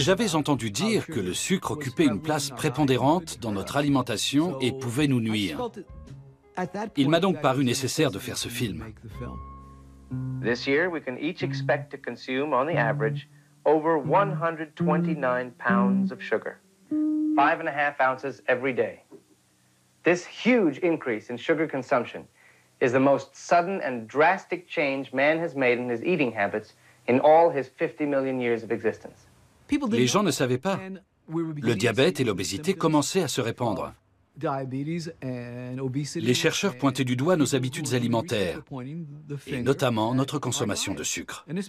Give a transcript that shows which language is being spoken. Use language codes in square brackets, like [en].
[fr] J'avais entendu dire que le sucre occupait une place prépondérante dans notre alimentation et pouvait nous nuire. Il m'a donc paru nécessaire de faire ce film. [en] This year, we can each expect to consume, on the average, over 129 pounds of sugar. 5.5 ounces every day. This huge increase in sugar consumption is the most sudden and drastic change man has made in his eating habits in all his 50 million years of existence. [fr] Les gens ne savaient pas. Le diabète et l'obésité commençaient à se répandre. Les chercheurs pointaient du doigt nos habitudes alimentaires, et notamment notre consommation de sucre.